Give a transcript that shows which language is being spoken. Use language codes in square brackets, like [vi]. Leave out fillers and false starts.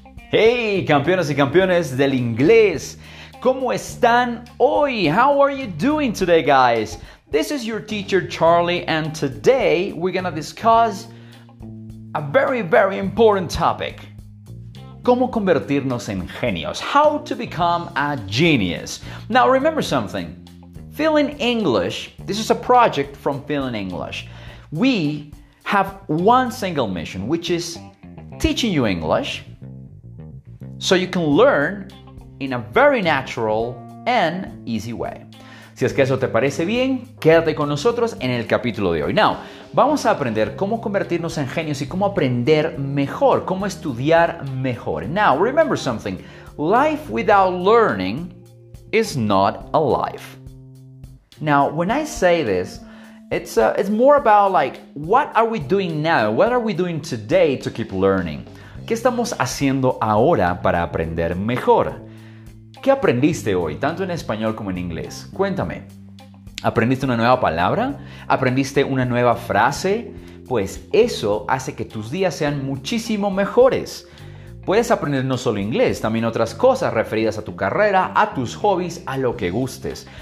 [es] Hey, campeones y campeones del inglés, ¿cómo están hoy? [en] How are you doing today, guys? This is your teacher, Charlie, and today we're gonna discuss a very, very important topic. [es] ¿Cómo convertirnos en genios? [en] How to become a genius? Now, remember something. Feeling English, this is a project from Feeling English. We have one single mission, which is teaching you English, so you can learn in a very natural and easy way. [es] Si es que eso te parece bien, quédate con nosotros en el capítulo de hoy. Now, vamos a aprender cómo convertirnos en genios y cómo aprender mejor, cómo estudiar mejor. [en] Now, remember something. Life without learning is not a life. Now, when I say this, it's more about like, what are we doing now? What are we doing today to keep learning? [es] ¿Qué estamos haciendo ahora para aprender mejor? ¿Qué aprendiste hoy, tanto en español como en inglés? Cuéntame. ¿Aprendiste una nueva palabra? ¿Aprendiste una nueva frase? Pues eso hace que tus días sean muchísimo mejores. Puedes aprender no solo inglés, también otras cosas referidas a tu carrera, a tus hobbies, a lo que gustes.